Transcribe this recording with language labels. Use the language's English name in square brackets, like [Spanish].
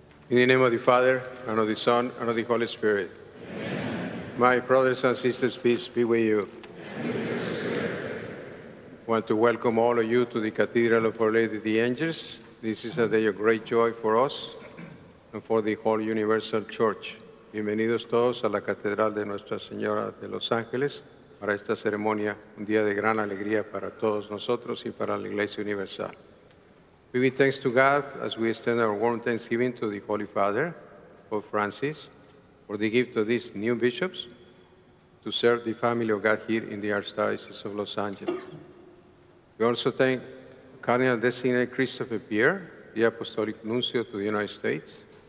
[English] In the name of the Father, and of the Son, and of the Holy Spirit. Amen. My brothers and sisters, peace be with you. I want to welcome all of you to the Cathedral of Our Lady the Angels. This is a day of great joy for us and for the whole Universal Church. [Spanish] Bienvenidos todos a la Catedral de Nuestra Señora de Los Ángeles para esta ceremonia, un día de gran alegría para todos nosotros y para la Iglesia Universal. [English] We give thanks to God as we extend our warm thanksgiving to the Holy Father, Pope Francis, for the gift of these new bishops to serve the family of God here in the Archdiocese of Los Angeles. We also thank Cardinal Designate Christopher Pierre, the Apostolic Nuncio to the United States.